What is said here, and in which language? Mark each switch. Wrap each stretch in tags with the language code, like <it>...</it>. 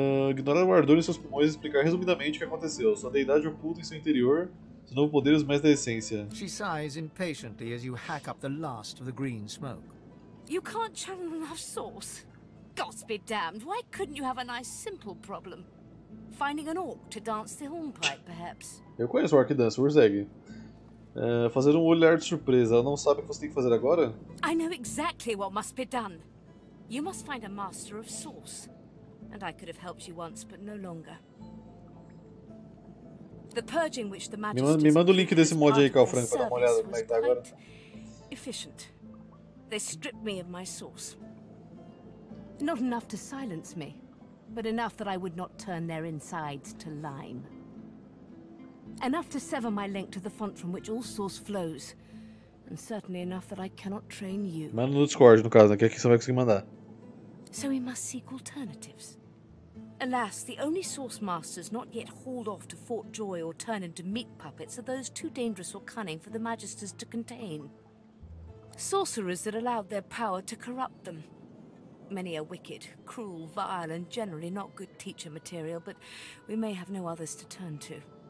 <pt>Ignorar o ardor em seus pulmões e explicar resumidamente o que aconteceu. Sua deidade oculta em seu interior, seu novo poder e os mais da essência.</pt> <en>She sighs impatiently as you hack up the last of the green smoke. You can't channel enough source. Gods be damned, why couldn't you have a nice simple problem? Finding an orc to dance the hornpipe, perhaps.</en> <pt>Eu conheço o orc dance, o Urzeg. Fazer um olhar de surpresa, ela não sabe o que você tem que fazer agora?</pt> <en>I know exactly what must be done. You must find a master of source. And I could have helped you once, but no longer. The purging which the magisters...</en> <pt>Me manda o link desse mod aí, Carl Frank, pra dar uma olhada como é que tá agora.</pt> <en>Efficient. They stripped me of my source. Not enough to silence me, but enough that I would not turn their insides to lime. Enough to sever my link to the font from which all source flows, and certainly enough that I cannot train you.</en> <pt>Manda no Discord, no caso, né? Que aqui você vai conseguir mandar.</pt> <en>So we must seek alternatives. Alas, the only source masters not yet hauled off to Fort Joy or turned into meat puppets are those too dangerous or cunning for the magisters to contain. Sorcerers that allowed their power to corrupt them. Many are wicked, cruel, vile, and generally not good teacher material, but we may have no others to turn to.</en>